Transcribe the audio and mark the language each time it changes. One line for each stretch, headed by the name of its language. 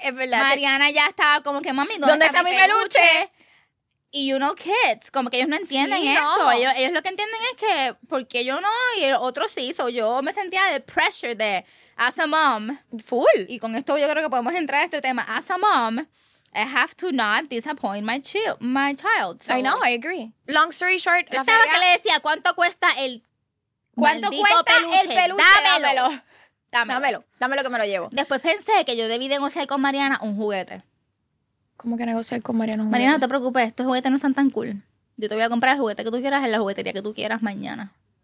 Spanish: Es verdad. Mariana ya estaba como que, mami, ¿dónde está mi peluche? Y
English: you know kids,
Spanish: como que ellos no entienden esto. Ellos lo que entienden es que, ¿por qué yo no? Y el otro sí, so yo me sentía de pressure de,
English: as a mom.
Spanish: Full. Y con esto yo creo que podemos entrar a este tema.
English: As a mom, I have to not disappoint my child. So, I know, I agree. Long story short,
Spanish: yo estaba que le decía, ¿cuánto cuesta el peluche? Dámelo. Dámelo que me lo llevo. Después pensé que yo debí negociar con Mariana un juguete. ¿Cómo que negociar con Mariana? Mariana, no te preocupes, estos juguetes no están tan cool. Yo te voy a comprar el juguete que tú quieras en la juguetería que tú quieras mañana.